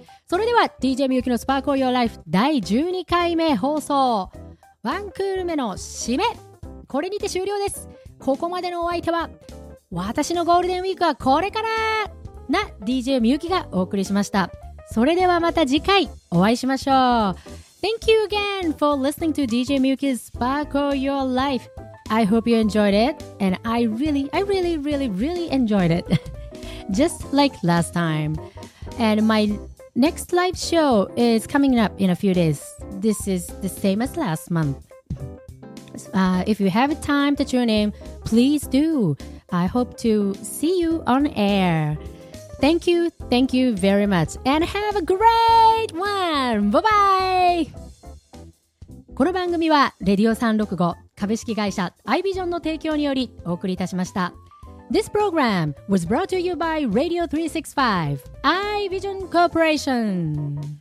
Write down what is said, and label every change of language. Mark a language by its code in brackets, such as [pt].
[ja] それでは DJ みゆきのスパークオーヨーライフ第12回目放送ワンクール目の締め、これにて終了です。ここまでのお相手は、私のゴールデンウィークはこれからな DJ みゆきがお送りしました。それではまた次回お会いしましょう。 [en] Thank you again for listening to DJ みゆき's Spark of Your Life. I hope you enjoyed it, and I really enjoyed it. Just like last time. And my Next live show is coming up in a few days. This is the same as last month. If you have time to tune in, please do. I hope to see you on air. Thank you very much. And have a great one! Bye-bye! [ja] この番組は、レディオ365株式会社 iVision の提供によりお送りいたしました。 [en] This program was brought to you by Radio 365 iVision Corporation.